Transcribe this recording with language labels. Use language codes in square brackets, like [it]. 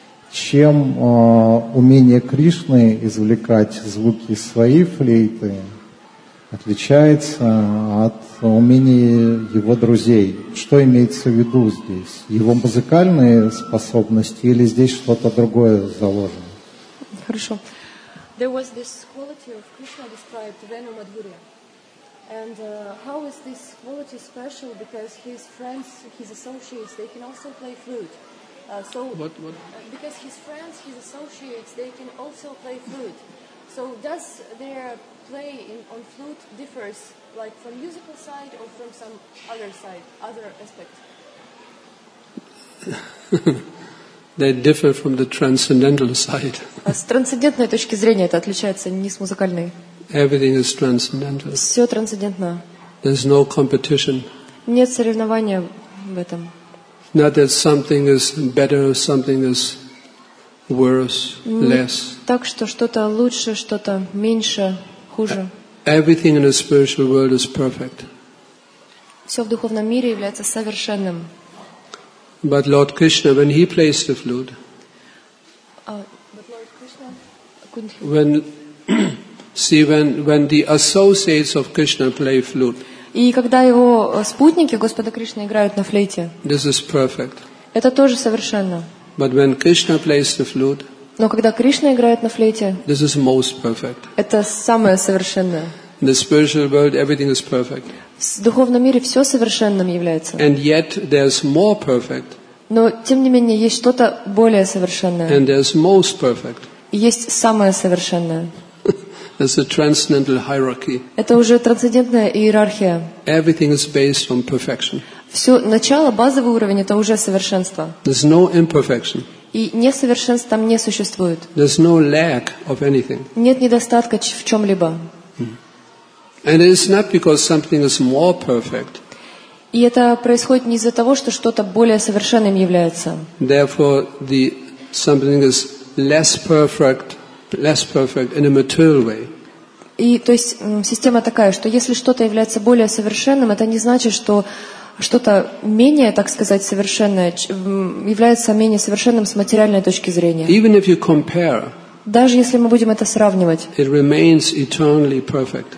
[ru] Чем умение Кришны извлекать звуки из своей флейты отличается от умения его друзей? Что имеется в виду здесь? Его музыкальные способности или здесь что-то другое заложено? Хорошо. [en] There was this quality of Krishna described Venu Madhurya. And how is this quality special? Because his friends, his associates, they can also play flute. So what? Because his friends, his associates, they can also play flute. So does their play on flute differs like from musical side or from some other side, other aspect? They differ from the transcendental side. [ru] С трансцендентной точки зрения это отличается не с музыкальной. [en] Everything is transcendental. [ru] Все трансцендентно. [en] There's no competition. [ru] Нет соревнования в этом. [en] Not that something is better, something is worse, less. [ru] Так что что-то лучше, что-то меньше, хуже. [en] Everything in the spiritual world is perfect. [ru] Все в духовном мире является совершенным. [en] But Lord Krishna, when he plays the flute, when the associates of Krishna play flute, [ru] и когда его спутники Господа Кришны играют на флейте, [en] this is perfect. [ru] Это тоже совершенно. [en] But when Krishna plays the flute, [ru] но когда Кришна играет на флейте, [en] this is most perfect. [ru] Это самое совершенное. [en] In the spiritual world, everything is perfect. [ru] В духовном мире все совершенным является. [en] And yet there's more perfect. [ru] Но тем не менее есть что-то более совершенное. [en] And there's most perfect. [ru] И есть самое совершенное. [en] That's a transcendental hierarchy. [ru] Это уже трансцендентная иерархия. [en] Everything is based on perfection. [ru] Все начало, базовый уровень, это уже совершенство. [en] There's no imperfection. [ru] И несовершенств там не существует. [en] There's no lack of anything. [ru] Нет недостатка в чем-либо. [en] And it's not because something is more perfect. [ru] И это происходит не из-за того, что что-то более совершенным является. [en] Therefore, the something is less perfect in a material way. [ru] И то есть система такая, что если что-то является более совершенным, это не значит, что что-то менее, так сказать, совершенное является менее совершенным с материальной точки зрения. [en] Even if you compare. [ru] Даже если мы будем это сравнивать, [en] it remains eternally perfect.